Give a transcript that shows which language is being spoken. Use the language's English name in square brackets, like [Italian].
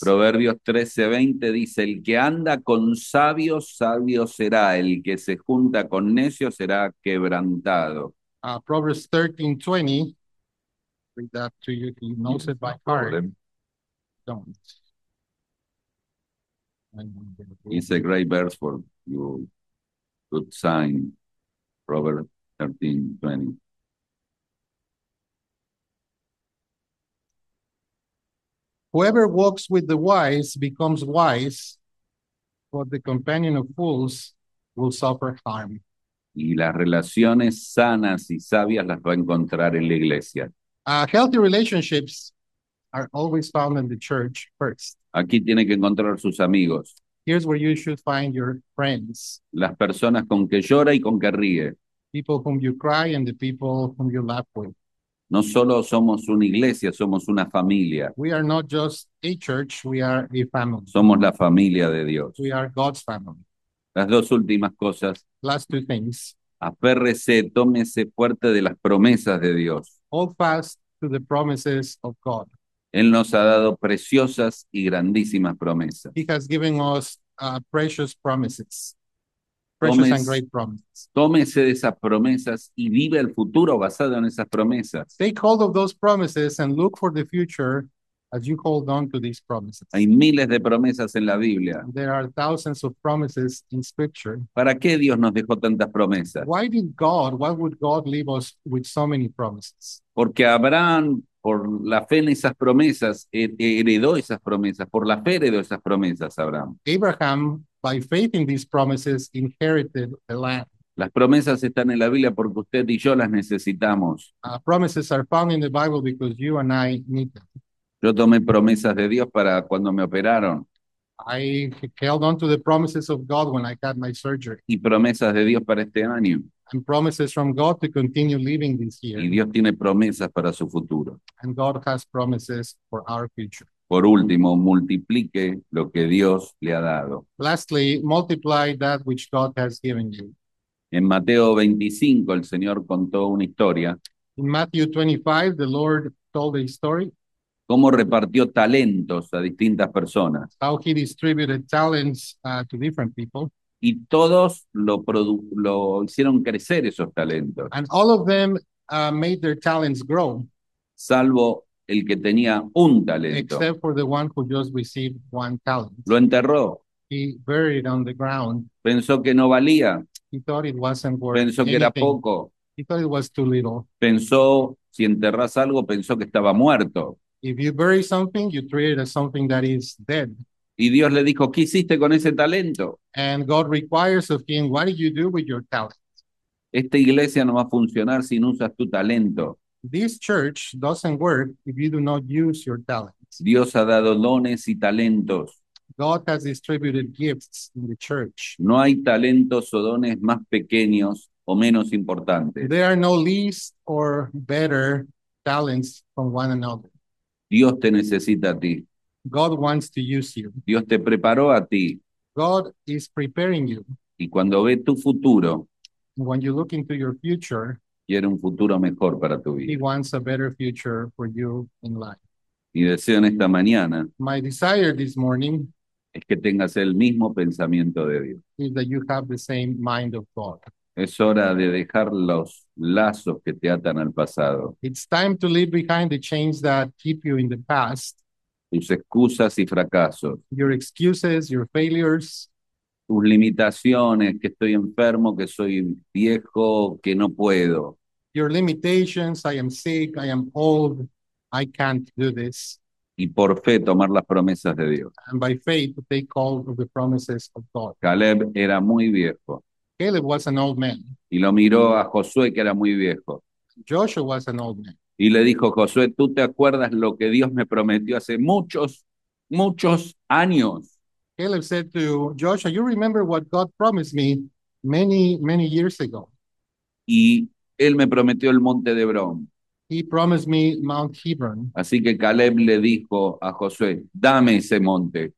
[Spanish] Proverbios 13:20 dice, el que anda con sabios, sabio será; el que se junta con necios será quebrantado. [English] Proverbs 13:20, read that to you, he knows it by heart. Don't. It's a great verse for you. Good sign. Proverbs 13:20. Whoever walks with the wise becomes wise, but the companion of fools will suffer harm. [Spanish] Y las relaciones sanas y sabias las va a encontrar en la iglesia. [English] Healthy relationships are always found in the church first. [Spanish] Aquí tiene que encontrar sus amigos. [English] Here's where you should find your friends. [Spanish] Las personas con que llora y con que ríe. [English] People whom you cry and the people whom you laugh with. [Spanish] No solo somos una iglesia, somos una familia. [English] We are not just a church, we are a family. [Spanish] Somos la familia de Dios. [English] We are God's family. [Spanish] Las dos últimas cosas. [English] Last two things. [Spanish] Aférrese, tómese fuerte de las promesas de Dios. [English] Hold fast to the promises of God. [Spanish] Él nos ha dado preciosas y grandísimas promesas. [English] He has given us precious promises. Precious and great promises. [Spanish] Tómese de esas promesas y vive el futuro basado en esas promesas. [English] Take hold of those promises and look for the future as you hold on to these promises. [Spanish] Hay miles de promesas en la Biblia. [English] There are thousands of promises in scripture. [Spanish] ¿Para qué Dios nos dejó tantas promesas? [English] Why would God leave us with so many promises? [Spanish] Porque Abraham, por la fe en esas promesas, heredó esas promesas. Por la fe heredó esas promesas, Abraham. [English] Abraham, by faith in these promises, inherited the land. [Spanish] Las promesas están en la Biblia porque usted y yo las necesitamos. [English] Promises are found in the Bible because you and I need them. [Spanish] Yo tomé promesas de Dios para cuando me operaron. [English] I held on to the promises of God when I had my surgery. [Spanish] Y promesas de Dios para este año. [English] And promises from God to continue living this year. [Spanish] Y Dios tiene promesas para su futuro. [English] And God has promises for our future. [Spanish] Por último, multiplique lo que Dios le ha dado. [English] Lastly, multiply that which God has given you. [Spanish] En Mateo 25, el Señor contó una historia. [English] In Matthew 25, the Lord told a story. [Spanish] Cómo repartió talentos a distintas personas. [English] How he distributed talents to different people. [Spanish] Y todos lo hicieron crecer esos talentos. [English] And all of them made their talents grow. [Spanish] Salvo el que tenía un talento. [English] Except for the one who just received one talent. [Spanish] Lo enterró. [English] He buried on the ground. [Spanish] Pensó que no valía. [English] He thought it wasn't worth [Spanish] Pensó que [English] anything. [Spanish] Era poco. [English] He thought it was too little. [Spanish] Pensó, si enterras algo, pensó que estaba muerto. [English] If you bury something, you treat it as something that is dead. [Spanish] Y Dios le dijo, ¿qué hiciste con ese talento? [English] And God requires of him, what did you do with your talent? [Spanish] Esta iglesia no va a funcionar si no usas tu talento. [English] This church doesn't work if you do not use your talents. [Spanish] Dios ha dado dones y talentos. [English] God has distributed gifts in the church. [Spanish] No hay talentos o dones más pequeños o menos importantes. [English] There are no least or better talents from one another. [Spanish] Dios te necesita a ti. [English] God wants to use you. [Spanish] Dios te preparó a ti. [English] God is preparing you. [Spanish] Y cuando ve tu futuro, [English] when you look into your future, [Spanish] quiere un futuro mejor para tu vida. [English] He wants a better future for you in life. [Spanish] Mi deseo en esta mañana [English] My desire this morning [Spanish] es que tengas el mismo pensamiento de Dios. [English] Is that you have the same mind of God. [Spanish] Es hora de dejar los lazos que te atan al pasado. [English] It's time to leave behind the chains that keep you in the past. [Spanish] Tus excusas y fracasos. [English] Your excuses, your failures. [Spanish] Tus limitaciones, que estoy enfermo, que soy viejo, que no puedo. [English] Your limitations, I am sick, I am old, I can't do this. [Spanish] Y por fe tomar las promesas de Dios. [English] And by faith, take hold of the promises of God. [Spanish] Caleb era muy viejo. [English] Caleb was an old man. [Spanish] Y lo miró a Josué, que era muy viejo. [English] Joshua was an old man. [Spanish] Y le dijo, Josué, ¿tú te acuerdas lo que Dios me prometió hace muchos, muchos años? [English] Caleb said to Joshua, you remember what God promised me many, many years ago. [Spanish] Y él me prometió el monte de Hebrón. [English] He promised me Mount Hebron. [Spanish] Así que Caleb le dijo a Josué, dame ese monte.